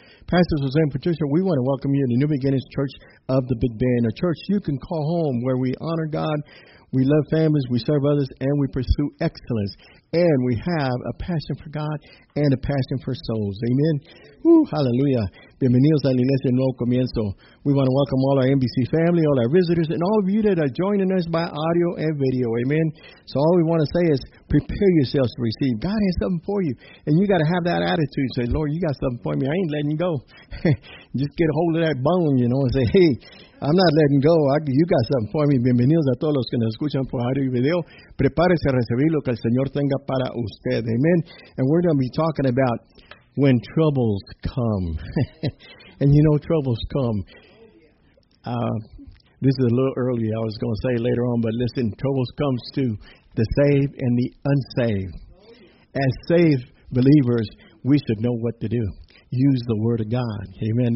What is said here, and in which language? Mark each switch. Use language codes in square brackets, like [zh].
[en] Pastors Jose and Patricia, we want to welcome you to New Beginnings Church of the Big Bend, a church you can call home where we honor God, we love families, we serve others, and we pursue excellence. And we have a passion for God and a passion for souls. Amen. Woo, hallelujah. [es] Bienvenidos a la iglesia Nuevo Comienzo. [en] We want to welcome all our NBC family, all our visitors, and all of you that are joining us by audio and video. Amen. So all we want to say is prepare yourselves to receive. God has something for you. And you got to have that attitude. Say, Lord, you got something for me. I ain't letting you go. Just get a hold of that bone, you know, and say, hey, I'm not letting go. You got something for me. [es] Bienvenidos a todos los que nos escuchan por audio y video. Prepárese a recibir lo que el Señor tenga para usted. [en] Amen. And we're going to be talking about when troubles come. And you know, troubles come. This is a little early. I was going to say later on, but listen, troubles comes to the saved and the unsaved. As saved believers, we should know what to do. Use the Word of God. Amen.